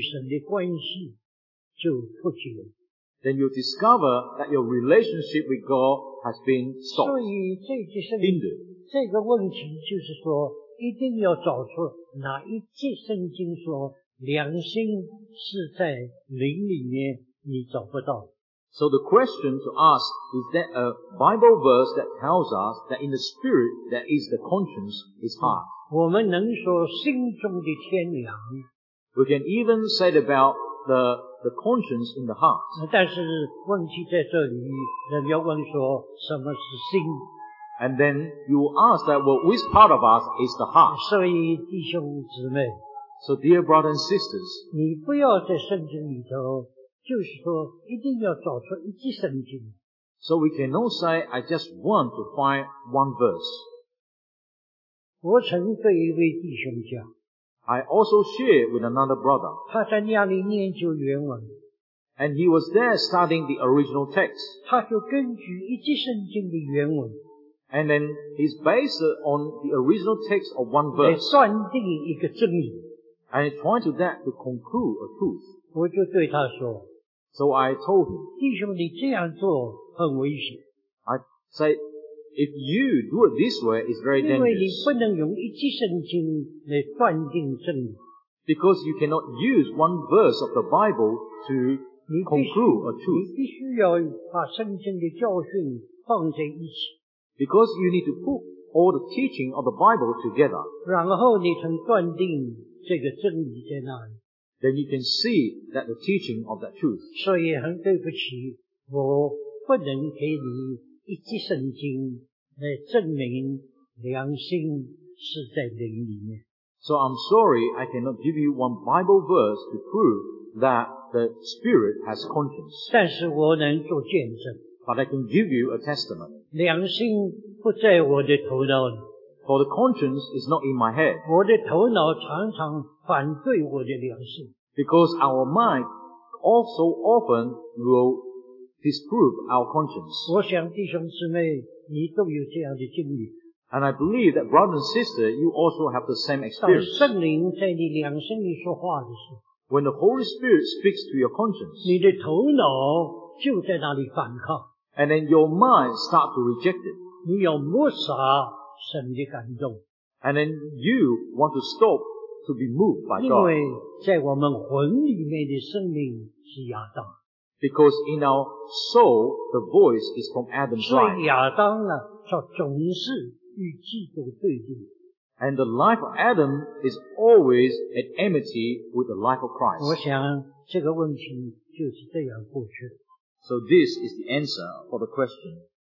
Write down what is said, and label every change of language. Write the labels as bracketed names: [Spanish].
[Chinese] 我们立刻就感觉我们与神的关系就不行。 [English] Then you discover that your relationship with God has been stopped. [Chinese] 所以这就是, 这个问题就是说, 一定要找出哪一节圣经说, 良心是在灵里面你找不到。 [English] So the question to ask, is there a Bible verse that tells us that in the spirit that is the conscience is hard? [Chinese] 我们能说心中的天良, [English] we can even say about the conscience in the heart. [Chinese] 但是问题在这里, 人要问说什么是心, [English] and then you will ask that, well, which part of us is the heart? [Chinese] 所以弟兄姊妹, [English] so dear brothers and sisters, [Chinese] 你不要在圣经里头,就是说一定要找出一节圣经。 [English] So we cannot say, I just want to find one verse. [Chinese] 我曾对一位弟兄讲。 [English] I also share with another brother. [Chinese] 他在那里研究原文。 [English] And he was there studying the original text. [Chinese] 他就根据一节圣经的原文。 [English] And then he's based on the original text of one verse. [Chinese] 来算定一个真理。 [English] And he's trying to that to conclude a truth. [Chinese] 我就对他说。 [English] So I told him, [Chinese] 弟兄你这样做很危险。 [English] I said, if you do it this way, it's very dangerous. [Chinese] 因为你不能用一节圣经来断定真理。 [English] Because you cannot use one verse of the Bible to conclude a truth. [Chinese] 你必须要把圣经的教训放在一起。 [English] Because you need to put all the teaching of the Bible together. [Chinese] 然后你才断定这个真理在哪里。 [English] Then you can see that the teaching of that truth. [Chinese] 所以很对不起，我不能给你一节圣经来证明良心是在灵里面。 [English] So I'm sorry, I cannot give you one Bible verse to prove that the spirit has conscience. [Chinese] 但是我能做见证。 [English] But I can give you a testament. [Chinese] 良心不在我的头脑里。 [English] For the conscience is not in my head. [Chinese] 我的头脑常常反对我的良心。 [English] Because our mind also often will disprove our conscience. [Chinese] 我想弟兄姊妹你都有这样的经历。 [English] And I believe that brother and sister, you also have the same experience. [Chinese] 当圣灵在你良心里说话的时候。 [English] When the Holy Spirit speaks to your conscience. [Chinese] 你的头脑就在那里反抗。 [English] And then your mind starts to reject it. [Chinese] 你要抹杀神的感动。 [English] And then you want to stop to be moved by God. [Chinese] 因为在我们魂里面的生命是亚当。 [English] Because in our soul, the voice is from Adam's life. [Chinese] 所以亚当呢，就总是与基督对立。 [English] And the life of Adam is always at enmity with the life of Christ. [Chinese] 我想这个问题就是这样过去。 [English] So this is the answer for the question.